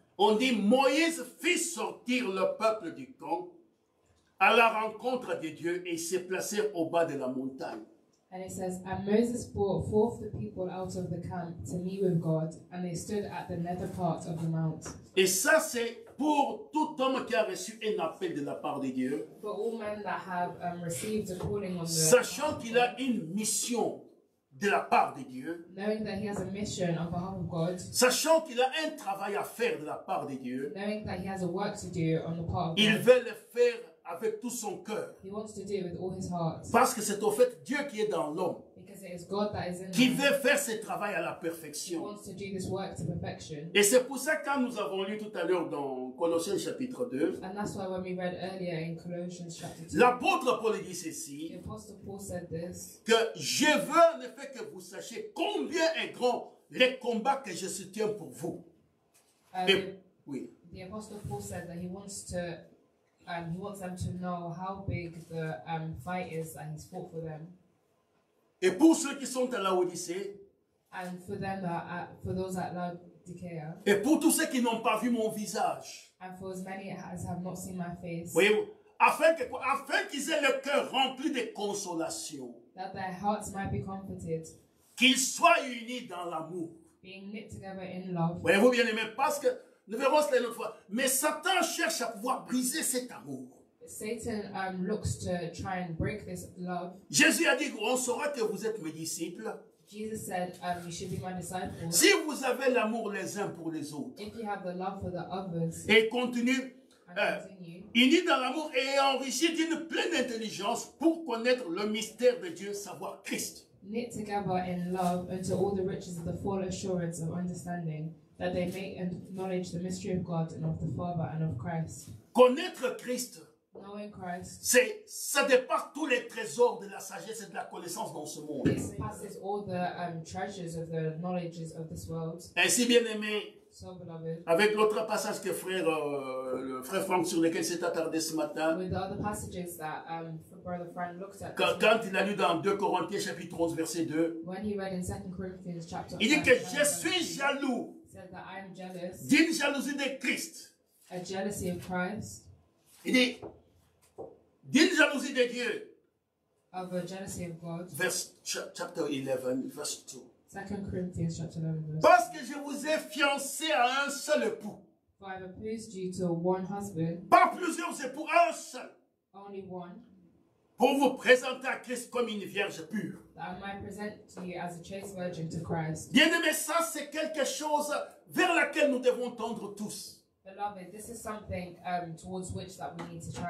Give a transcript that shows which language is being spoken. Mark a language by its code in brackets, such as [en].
[fr] On dit, Moïse fit sortir le peuple du camp à la rencontre de Dieu et s'est placé au bas de la montagne. [en] And it says, and Moses brought forth the people out of the camp to meet with God, and they stood at the nether part of the mount. [fr] Et ça, c'est pour tout homme qui a reçu un appel de la part de Dieu. [en] For all men that have received a calling on the... [fr] Sachant qu'il a une mission de la part de Dieu. [en] Knowing that he has a mission on behalf of God. [fr] Sachant qu'il a un travail à faire de la part de Dieu. [en] Knowing that he has a work to do on the part of God. [fr] Il veut le faire avec tout son cœur. [en] He wants to do it with all his heart. [fr] Parce que c'est au fait Dieu qui est dans l'homme. [en] Because it is God that is in [fr] qui him. Veut faire ce travail à la perfection. [en] He wants to do this work to perfection. [fr] Et c'est pour ça que quand nous avons lu tout à l'heure dans Colossiens chapitre 2. [en] And that's why when we read earlier in Colossians chapter 2. [fr] L'apôtre Paul dit ceci. [en] The apostle Paul said this. [fr] Que je veux en effet que vous sachiez combien est grand les combats que je soutiens pour vous. Et, oui. [en] The apostle Paul said that he wants to... And he wants them to know how big the fight is that he's fought for them. [fr] Et pour ceux qui sont à la Odyssée, [en] and for them, for those at Laodicea. [fr] Et pour tous ceux qui n'ont pas vu mon visage. [en] And for as many as have not seen my face. [fr] Voyez-vous, afin qu'ils aient le cœur rempli de consolation. [en] that their hearts might be comforted. [fr] Qu'ils soient unis dans l'amour. [en] Being knit together in love. [fr] Voyez-vous bien aimé, parce que nous verrons cela une autre fois. Mais Satan cherche à pouvoir briser cet amour. [en] Satan looks to try and break this love. [fr] Jésus a dit, on saura que vous êtes mes disciples. [en] Jesus said, you should be my disciples. [fr] Si vous avez l'amour les uns pour les autres. [en] If you have the love for the others. [fr] Et continue. Unis dans l'amour et enrichis d'une pleine intelligence pour connaître le mystère de Dieu, savoir Christ. [en] Knit together in love unto all the riches of the full assurance of understanding, that they may acknowledge the mystery of God and of the Father and of Christ. [fr] Connaître Christ. [en] Knowing Christ. [fr] C'est ça dépasse tous les trésors de la sagesse et de la connaissance dans ce monde. [en] It surpasses all the treasures of the knowledges of this world. [fr] Ainsi bien aimé. [en] So beloved. [fr] Avec l'autre passage que le frère Frank sur lequel s'est attardé ce matin. [en] With the other passages that brother Frank looked at. [fr] Quand il a lu dans 2 Corinthiens chapitre 11 verset 2. [en] When he read in 2 Corinthians chapter [fr] 11. Il dit que je suis jaloux. [en] Said that I am jealous. [fr] D'une jalousie de Christ. [en] A jealousy of Christ. [fr] Il dit, d'une jalousie de Dieu. [en] Of a jealousy of God. Chapter 11, verse 2. 2 Corinthians chapter 11, verse 2. [fr] Parce que je vous ai fiancé à un seul époux. [en] For I have appeased you to one husband. [fr] Pas plusieurs époux, un seul. [en] Only one. [fr] Pour vous présenter à Christ comme une vierge pure. [en] That I might present to you as a chaste virgin to Christ. [fr] Bien aimé, ça c'est quelque chose vers laquelle nous devons tendre tous. [en] Beloved, this is something towards which that we need to try.